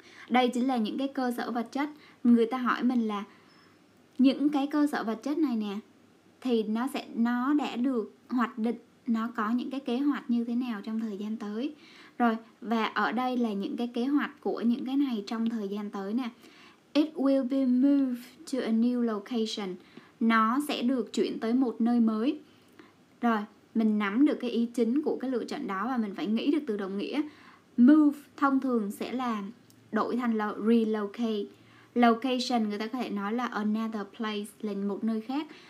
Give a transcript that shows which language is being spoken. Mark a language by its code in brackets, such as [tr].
[vi] Đây chính là những cái cơ sở vật chất. Người ta hỏi mình là những cái cơ sở vật chất này nè, thì nó đã được hoạch định, nó có những cái kế hoạch như thế nào trong thời gian tới. Rồi, và ở đây là những cái kế hoạch của những cái này trong thời gian tới nè. [en] It will be moved to a new location. [vi] Nó sẽ được chuyển tới một nơi mới. Rồi, mình nắm được cái ý chính của cái lựa chọn đó và mình phải nghĩ được từ đồng nghĩa. Move thông thường sẽ là đổi thành là relocate. Location người ta có thể nói là [en] another place, [vi] là một nơi khác.